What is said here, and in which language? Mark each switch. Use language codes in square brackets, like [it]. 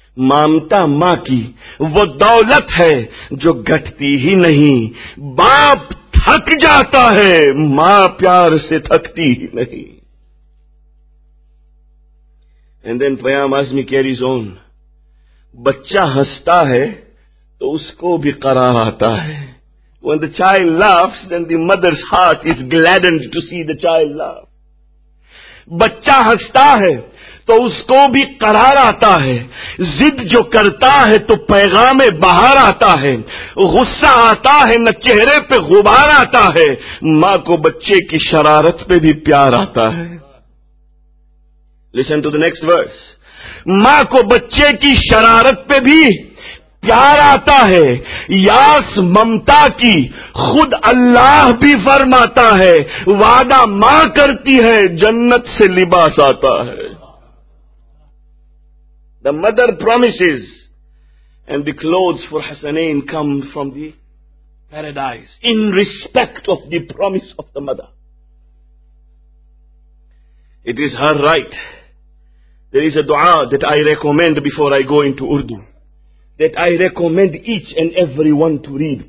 [ur] مامتا ماں کی وہ دولت ہے جو گھٹتی ہی نہیں. باپ تھک جاتا ہے, ماں پیار سے تھکتی ہی نہیں. [en] And then Payam Azmi carries on. [ur] بچہ ہنستا ہے تو اس کو بھی قرار آتا ہے. [en] When the child laughs then the mother's heart is gladdened to see the child laugh. [ur] بچہ ہنستا ہے تو اس کو بھی قرار آتا ہے. ضد جو کرتا ہے تو پیغام بہار آتا ہے. غصہ آتا ہے نہ چہرے پہ غبار آتا ہے, ماں کو بچے کی شرارت پہ بھی پیار آتا ہے. [en] Listen to the next verse. [ur] ماں کو بچے کی شرارت پہ بھی پیار آتا ہے. یاس ممتا کی خود اللہ بھی فرماتا ہے. وعدہ ماں کرتی ہے جنت سے لباس آتا ہے. [en] The mother promises and the clothes for Hasanain come from the paradise in respect of the promise of the mother. It is her right. There is a dua that I recommend before I go into Urdu, that I recommend each and every one to read.